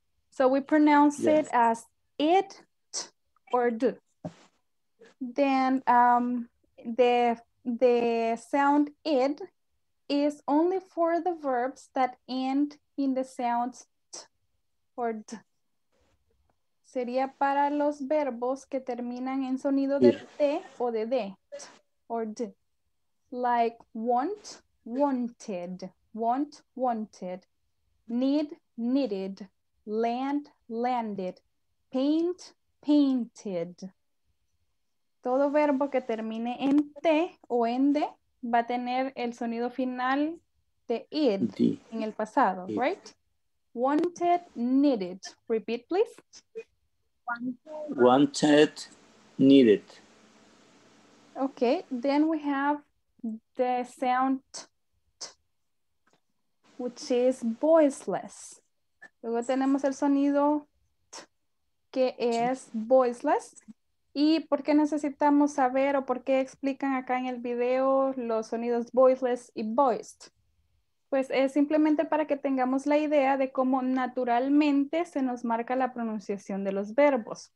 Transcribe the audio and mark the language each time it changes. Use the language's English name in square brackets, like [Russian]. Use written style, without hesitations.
[English] So we pronounce it as it, t, or do. Then the sound id is only for the verbs that end in the sounds t or d. [Spanish] Sería para los verbos que terminan en sonido de t o de d, [English] t or d. Like want, wanted, want, wanted. Need, needed. Land, landed. Paint, painted. [Spanish] Todo verbo que termine en T o en D va a tener el sonido final de id en el pasado, it. [English] Right? Wanted, needed. Repeat, please. Wanted, needed. Okay, then we have the sound t, t, which is voiceless. [Spanish] Luego tenemos el sonido t, que es voiceless. ¿Y por qué necesitamos saber o por qué explican acá en el video los sonidos voiceless y voiced? Pues es simplemente para que tengamos la idea de cómo naturalmente se nos marca la pronunciación de los verbos.